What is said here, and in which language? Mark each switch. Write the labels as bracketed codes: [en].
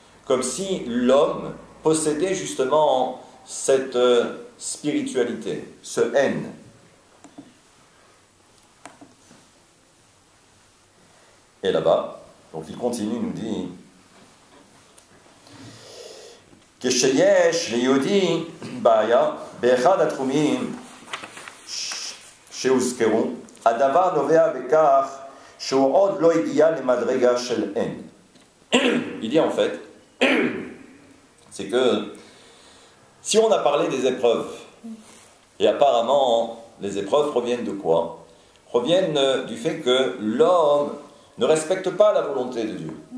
[fr] Comme si l'homme possédait justement cette spiritualité, ce en. Et là-bas, donc il continue, il nous dit, [he] כשיש ליהודי בעיה באחד התחומים שהוזכרו, הדבר נובע בכך שהוא עוד לא הגיע למדרגה של אין. [fr] Il dit en fait, c'est que si on a parlé des épreuves, et apparemment les épreuves proviennent de quoi ? Proviennent du fait que l'homme ne respecte pas la volonté de Dieu.